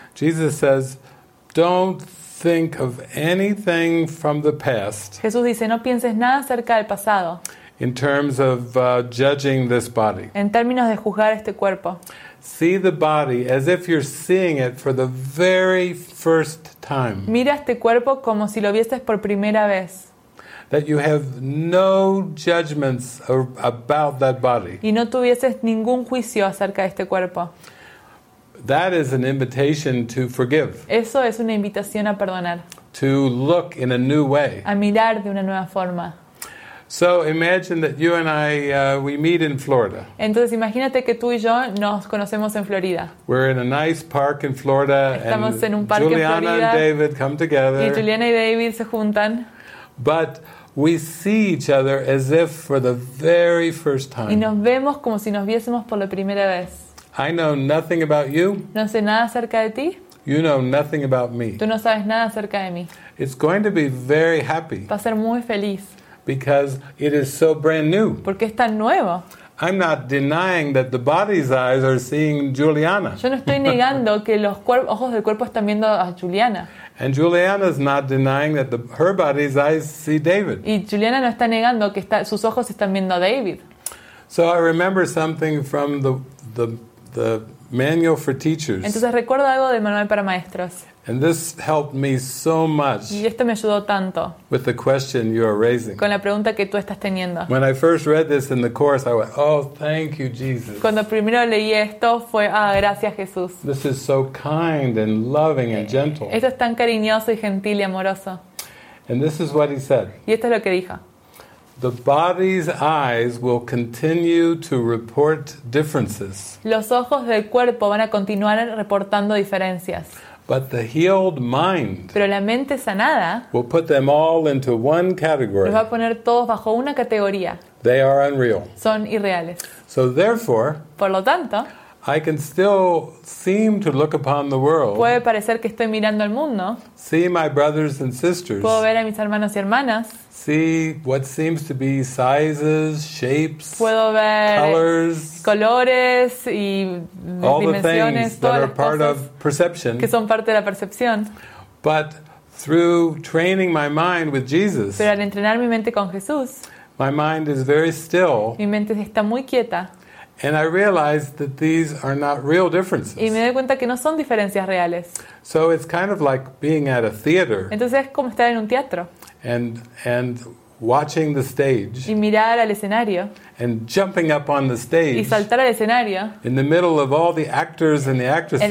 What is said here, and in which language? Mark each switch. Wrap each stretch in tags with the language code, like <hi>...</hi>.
<en>Jesus says, don't think of anything from the past.</en> <es>Jesús dice, no pienses nada acerca del pasado.</es> <en>In terms of judging this body.</en> <es>En términos de juzgar este cuerpo.</es> <en>See the body as if you're seeing it for the very first time.</en> <es>Mira este cuerpo como si lo vieses por primera vez.</es> <en>That you have no judgments about that body.</en> <es>Y no tuvieses ningún juicio acerca de este cuerpo.</es> <en>That is an invitation to forgive.</en> <es>Eso es una invitación a perdonar.</es> <en>To look in a new way.</en> <es>A mirar de una nueva forma.</es> <en>So imagine that you and I we meet in Florida.</en> <es>Entonces imagínate que tú y yo nos conocemos en Florida.</es> <en>We're in a nice park in Florida.</en> <es>Estamos</es> <en>and</en> <es>en un parque</es> <en>Juliana</en> <es>en Florida.</es> <en>And David come together.</en> <es>Y Juliana y David se juntan.</es> <en>But we see each other as if for the very first time.</en> <es>Y nos vemos como si nos viésemos por la primera vez.</es> <en>I know nothing about you.</en> <es>No sé nada acerca de ti.</es> <en>You know nothing about me.</en> <es>Tú no sabes nada acerca de mí.</es> <en>It's going to be very happy.</en> <es>Va a ser muy feliz.</es> <en>Because it is so brand new.</en> <es>Porque es tan nuevo.</es> <en>I'm not denying that the body's eyes are seeing Juliana.</en> <es>Yo no estoy negando que los ojos del cuerpo están viendo a Juliana.</es> <en>And Juliana is not denying that her body's eyes see David.</en> <es>Y Juliana no está negando que sus ojos están viendo a David.</es> <en>So I remember something from the manual for teachers.</en> <es>Entonces recuerdo algo del manual para maestros.</es> <en>And this helped me so much.</en> <es>Y esto me ayudó tanto.</es> <en>With the question you are raising.</en> <es>Con la pregunta que tú estás teniendo.</es> <en>When I first read this in the course, I went, "Oh, thank you, Jesus."</en> <es>Cuando primero leí esto fue, "Ah, gracias, Jesús."</es> <en>This is so kind and loving and gentle.</en> <es>Esto es tan cariñoso y gentil y amoroso.</es> <en>And this is what he said.</en> <es>Y esto es lo que dijo.</es> <en>The body's eyes will continue to report differences.</en> <es>Los ojos del cuerpo van a continuar reportando diferencias.</es> <en>But the healed mind.</en> <es>Pero la mente sanada.</es> <en>Will put them all into one category.</en> <es>Los va a poner todos bajo una categoría.</es> <en>They are unreal.</en> <es>Son irreales.</es> <en>So therefore.</en> <es>Por lo tanto.</es> <en>I can still seem to look upon the world.</en> <es>Puede parecer que estoy mirando al mundo.</es> <en>See my brothers and sisters.</en> <es>Puedo ver a mis hermanos y hermanas.</es> <en>See what seems to be sizes, shapes.</en> <es>Puedo ver</es> <en>colors.</en> <es>Colores y</es> <en>all</en> <es>dimensiones.</es> <en>All the things that are part of perception.</en> <es>Que son parte de la percepción.</es> <en>But through training my mind with Jesus.</en> <es>Pero al entrenar mi mente con Jesús.</es> <en>My mind is very still.</en> <es>Mi mente está muy quieta.</es> <en>And I realize that these are not real differences.</en> <es>Y me doy cuenta que no son diferencias reales.</es> <en>So it's kind of like being at a theater.</en> <es>Entonces es como estar en un teatro.</es> <en>And watching the stage</en> <es>y mirar al escenario</es> <en>and jumping up on the stage</en> <es>y saltar al escenario</es> <en>in the middle of all the actors and the actresses</en>